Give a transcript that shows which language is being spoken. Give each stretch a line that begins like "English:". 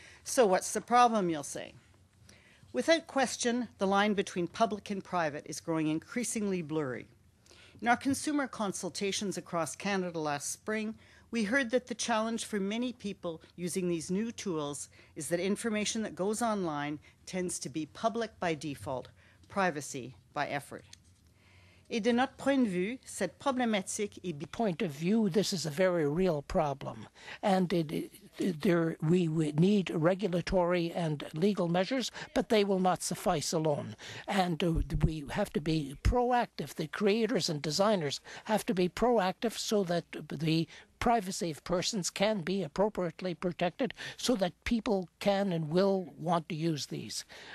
English: So what's the problem, you'll say? Without question, the line between public and private is growing increasingly blurry. In our consumer consultations across Canada last spring, we heard that the challenge for many people using these new tools is that information that goes online tends to be public by default, privacy by effort.
French: Et de notre point de vue, cette problématique est bien.
English: Point of view, this is a very real problem. And we need regulatory and legal measures, but they will not suffice alone. And we have to be proactive. The creators and designers have to be proactive so that the privacy of persons can be appropriately protected, so that people can and will want to use these.